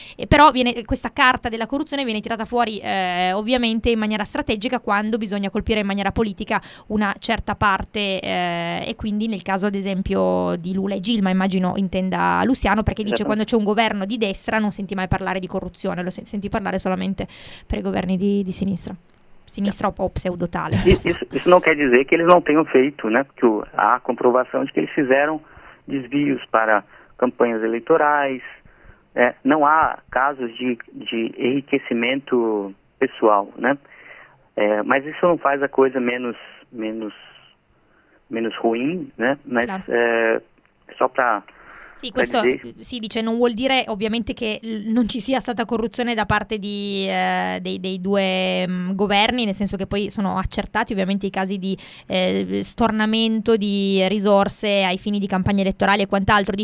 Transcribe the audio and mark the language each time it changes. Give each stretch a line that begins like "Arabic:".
Italian: Però viene questa carta della corruzione viene tirata fuori ovviamente in maniera strategica quando bisogna colpire in maniera politica una certa parte, e quindi nel caso ad esempio di Lula e Dilma, immagino intenda Luciano, perché dice certo. Quando c'è un governo di destra non senti mai parlare di corruzione, lo senti parlare solamente per i governi di sinistra o pseudo tale.
Portuguese: Isso não quer dizer que eles não tenham feito, né? Porque há comprovação de que eles fizeram desvios para campanhas eleitorais, né? Não há casos de enriquecimento pessoal, né? Mas isso não faz a coisa menos ruim, né? Mas claro. Só para
Italian: sì, questo si dice, non vuol dire ovviamente che non ci sia stata corruzione da parte di dei due governi, nel senso che poi sono accertati ovviamente i casi di stornamento di risorse ai fini di campagne elettorali e quant'altro.